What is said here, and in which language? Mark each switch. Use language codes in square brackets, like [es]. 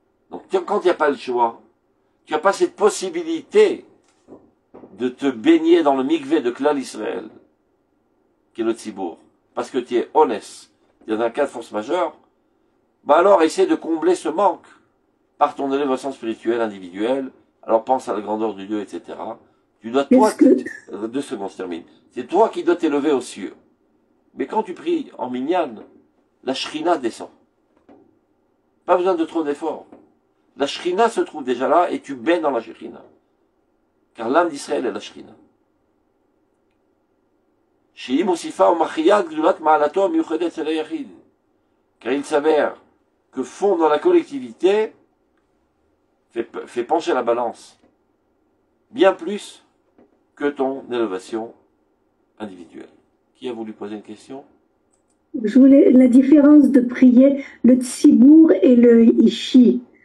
[fr] Donc, quand il n'y a pas le choix, tu n'as pas cette possibilité de te baigner dans le mikvé de Klal Israël, qui est le tzibour, parce que tu es honnête, tu es dans un cas de force majeure, bah alors essaie de combler ce manque par ton élévation spirituelle individuelle, alors pense à la grandeur de Dieu, etc. Tu dois toi... Deux secondes, je termine. C'est toi qui dois t'élever aux cieux. Mais quand tu pries en minyan, la shrina descend. Pas besoin de trop d'efforts. La shrina se trouve déjà là et tu baignes dans la shrina. Car l'âme d'Israël est la shrina. [he] שהיא מוסיפה ומחייה גדולת מעלתו המיוחדת של היחיד. [fr] Car il s'avère que fondre la collectivité fait pencher la balance bien plus que ton élévation individuelle. Qui a voulu poser une question? Je voulais la différence de prier le tzibour et le ishi.